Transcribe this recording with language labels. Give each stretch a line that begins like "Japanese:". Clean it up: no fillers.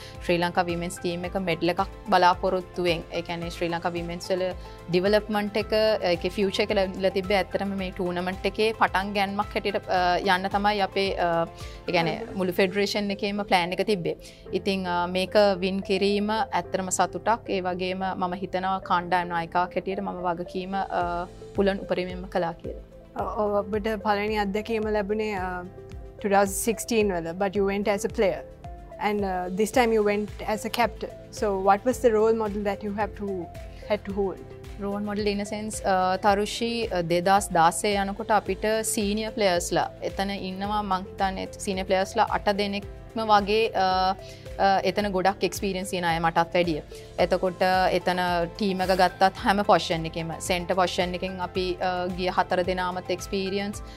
Sinhala: ශ්‍රී Lanka විමෙන්ස් team එක medal එකක් බලාපොරොත්තු වෙන් ඒ කියන්නේ ශ්‍රී ලංකා විමෙන්ස් වල ඩෙවලොප්මන්ට් එක ඒකේ ෆියුචර් එක ලැබිලා තිබ්බේ ඇත්තටම මේ ටූර්නමන්ට් එකේ පටන් ගැන්මක් හැටියට යන්න තමයි අපේ ඒ කියන්නේ මුළු ෆෙඩරේෂන් එකේම ප්ලෑන් එක තිබ්බේ ඉතින් මේක වින් කිරීම ඇත්තටම සතුටක් ඒ වගේම මම හිතනවා කණ්ඩායම් නායිකාවක් හැටියට මම වගකීම පුළුවන් උපරිමයෙන්ම කළා කියලා ඔබට පළවෙනි අත්දැකීම ලැබුණේ 2016 වල
English: but you went as a player and this time you went as a captain so what was the role model that you had to hold role model in a sense
Sinhala: Tharushi 2016 යනකොට අපිට senior players ලා එතන ඉන්නවා මං හිතන්නේ senior players ලා 8 දෙනෙක්ම වගේ එතන ගොඩක් එක්ස්පීරියන්ස් තියෙන අය මටත් වැඩිය. එතකොට එතන ටීම් එක ගත්තත් හැම පොෂන් එකෙම සෙන්ටර් පොෂන් එකෙන් අපි ගිය හතර දෙනාමත් එක්ස්පීරියන්ස්.